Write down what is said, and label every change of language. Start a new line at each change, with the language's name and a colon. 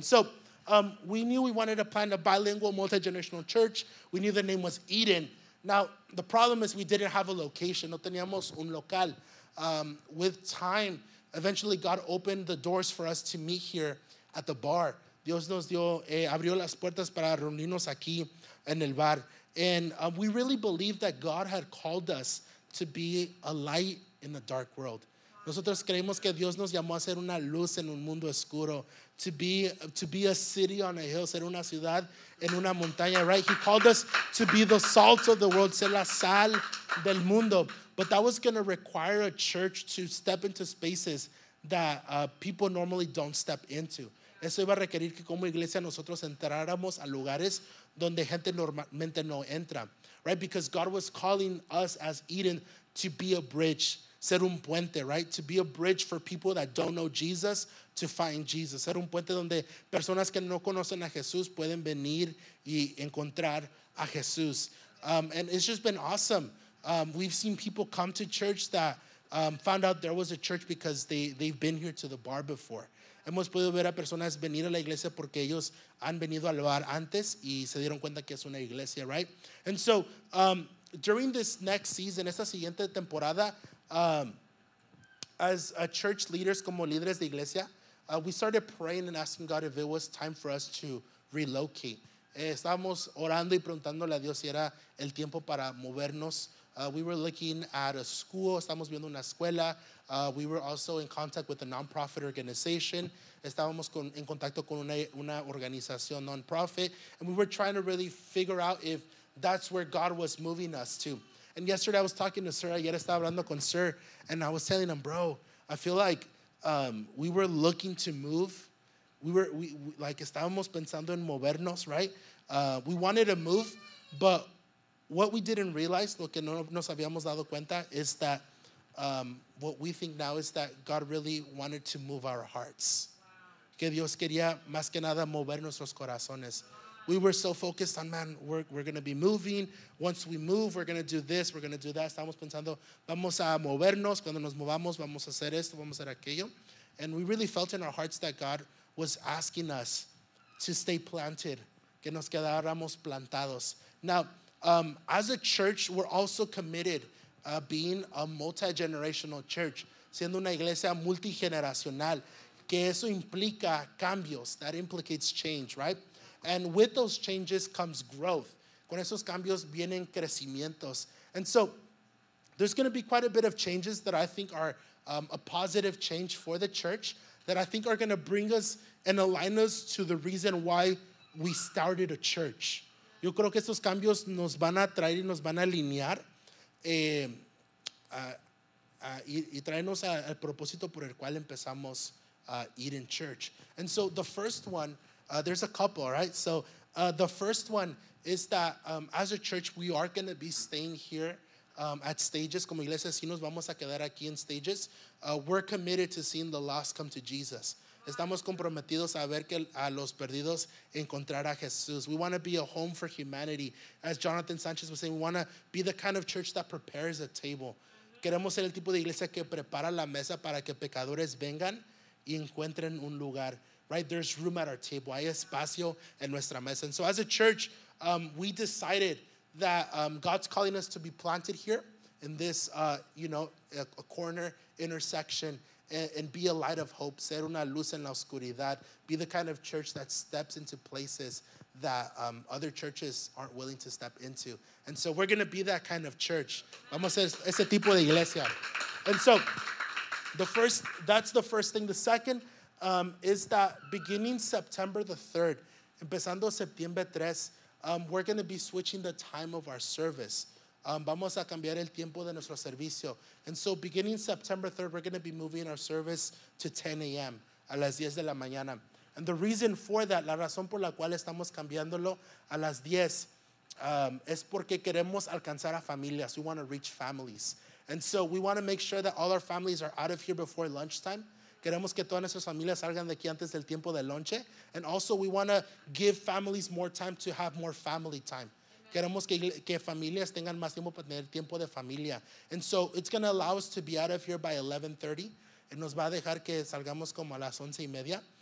English: And so we knew we wanted to plant a bilingual, multi-generational church. We knew the name was Eden. Now, the problem is we didn't have a location.
Spanish: No teníamos un local.
English: With time, eventually God opened the doors for us to meet here at the bar.
Spanish: Dios nos dio, abrió las puertas para reunirnos aquí en el bar.
English: And we really believe that God had called us to be a light in the dark world.
Spanish: Nosotros creemos que Dios nos llamó a ser una luz en un mundo oscuro,
English: to be a city on a hill,
Spanish: ser una ciudad en una montaña, right?
English: He called us to be the salt of the world,
Spanish: ser la sal del mundo.
English: But that was going to require a church to step into spaces that people normally don't step into.
Spanish: Eso iba a requerir que como iglesia nosotros entráramos a lugares donde gente normalmente no entra, right?
English: Because God was calling us as Eden to be a bridge,
Spanish: ser un puente, right?
English: To be a bridge for people that don't know Jesus to find Jesus.
Spanish: Ser un puente donde personas que no conocen a Jesús pueden venir y encontrar a Jesús.
English: And it's just been awesome. We've seen people come to church that found out there was a church because they've been here to the bar before.
Spanish: Hemos podido ver a personas venir a la iglesia porque ellos han venido al bar antes y se dieron cuenta que es una iglesia, right?
English: And so, during this next season,
Spanish: esta siguiente temporada,
English: as church leaders,
Spanish: como líderes de iglesia,
English: we started praying and asking God if it was time for us to relocate.
Spanish: Estábamos orando y preguntándole a Dios si era el tiempo para movernos.
English: We were looking at a school.
Spanish: Estamos viendo una escuela.
English: We were also in contact with a non-profit organization.
Spanish: Estábamos en contacto con una organización non-profit.
English: And we were trying to really figure out if that's where God was moving us to. And yesterday I was talking to Sir.
Spanish: Ayer estaba hablando con Sir.
English: And I was telling him, bro, I feel like we were looking to move.
Spanish: We estábamos pensando en movernos, right?
English: We wanted to move, but what we didn't realize,
Spanish: lo que no nos habíamos dado cuenta,
English: is that what we think now is that God really wanted to move our hearts. Wow.
Spanish: Que Dios quería más que nada mover nuestros corazones.
English: We were so focused on, man, we're going to be moving. Once we move, we're going to do this, we're going to do that.
Spanish: Estábamos pensando, vamos a movernos. Cuando nos movamos, vamos a hacer esto, vamos a hacer aquello.
English: And we really felt in our hearts that God was asking us to stay planted.
Spanish: Que nos quedáramos plantados.
English: Now, as a church, we're also committed to being a multi-generational church,
Spanish: siendo una iglesia multigeneracional, que eso implica cambios,
English: that implicates change, right? And with those changes comes growth.
Spanish: Con esos cambios vienen crecimientos.
English: And so there's going to be quite a bit of changes that I think are a positive change for the church that I think are going to bring us and align us to the reason why we started a church.
Spanish: Yo creo que estos cambios nos van a traer y nos van a alinear y traernos al propósito por el cual empezamos ir en church.
English: And so the first one, there's a couple, right? So the first one is that as a church, we are going to be staying here at stages.
Spanish: Como iglesia, si nos vamos a quedar aquí en stages,
English: we're committed to seeing the lost come to Jesus.
Spanish: Estamos comprometidos a ver que a los perdidos encontrar a Jesús.
English: We want to be a home for humanity. As Jonathan Sanchez was saying, we want to be the kind of church that prepares a table.
Spanish: Queremos ser el tipo de iglesia que prepara la mesa para que pecadores vengan y encuentren un lugar.
English: Right? There's room at our table.
Spanish: Hay espacio en nuestra mesa.
English: And so as a church, we decided that God's calling us to be planted here in this, a corner intersection. And be a light of hope,
Spanish: ser una luz en la oscuridad,
English: be the kind of church that steps into places that other churches aren't willing to step into. And so we're going to be that kind of church.
Spanish: Vamos a ser ese tipo de iglesia.
English: And so that's the first thing. The second is that beginning September the 3rd,
Spanish: empezando septiembre 3,
English: we're going to be switching the time of our service.
Spanish: Vamos a cambiar el tiempo de nuestro servicio.
English: And so beginning September 3rd, we're going to be moving our service to 10 a.m.
Spanish: a las 10 de la mañana.
English: And the reason for that,
Spanish: la razón por la cual estamos cambiándolo a las 10, es porque queremos alcanzar a familias.
English: We want to reach families. And so we want to make sure that all our families are out of here before lunchtime.
Spanish: Queremos que todas nuestras familias salgan de aquí antes del tiempo de lonche.
English: And also we want to give families more time to have more family time.
Spanish: Queremos que familias tengan más tiempo para tener tiempo de familia.
English: And so it's going to allow us to be out of here by 11:30.
Spanish: Y nos va a dejar que salgamos como a las 11 y media.